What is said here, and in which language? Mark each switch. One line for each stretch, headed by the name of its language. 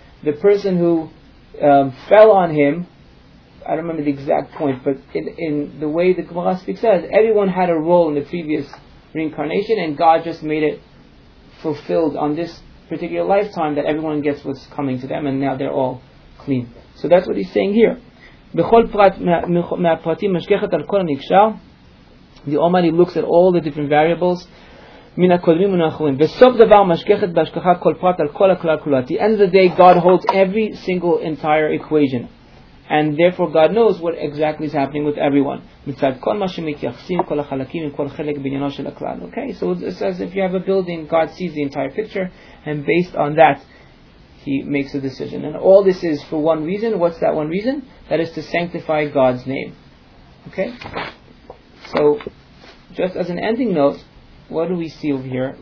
English: The person who fell on him, I don't remember the exact point, but in the way the Gemara speaks, says everyone had a role in the previous reincarnation and God just made it fulfilled on this particular lifetime that everyone gets what's coming to them and now they're all clean. So that's what he's saying here.
Hebrew: בכל פרט מהפרטים משגחת על כל הנקשר.
English: The Almighty looks at all the different variables.
Hebrew: מן הקודמים ומן האחרים. וסוף דבר משגחת בהשגחה כל פרט על כל הכלל כולו.
English: At the end of the day, God holds every single entire equation. And therefore, God knows what exactly is happening with everyone.
Hebrew: מצד כל מה שמתייחסים, כל החלקים, כל חלק בעניינו של הכלל.
English: Okay, so it's as if you have a building, God sees the entire picture, and based on that, He makes a decision. And all this is for one reason. What's that one reason? That is to sanctify God's name. Okay? So, just as an ending note, what do we see over here?